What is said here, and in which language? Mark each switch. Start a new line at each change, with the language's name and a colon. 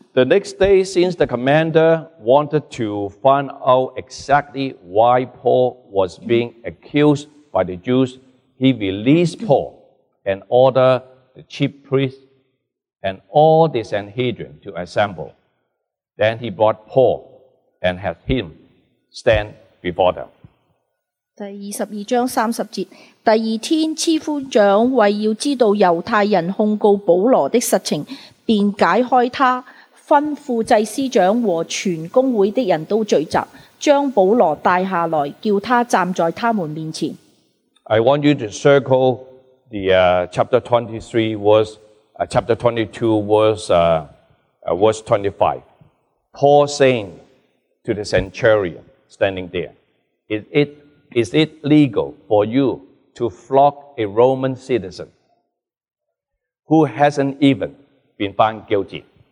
English: The next day, since the commander wanted to find out exactly why Paul was being accused by the Jews, he released Paul and ordered the chief priests and all the Sanhedrin to assemble. Then he brought Paul and had him stand before them.
Chinese: 22章30节 第二天，知府长为要知道犹太人控告保罗的实情，便解开他，吩咐祭司长和全公会的人都聚集，将保罗带下来，叫他站在他们面前。
English: I want you to circle the chapter 22, verse 25. Paul saying to the centurion standing there, is it legal for you to flog a Roman citizen who hasn't even been found guilty?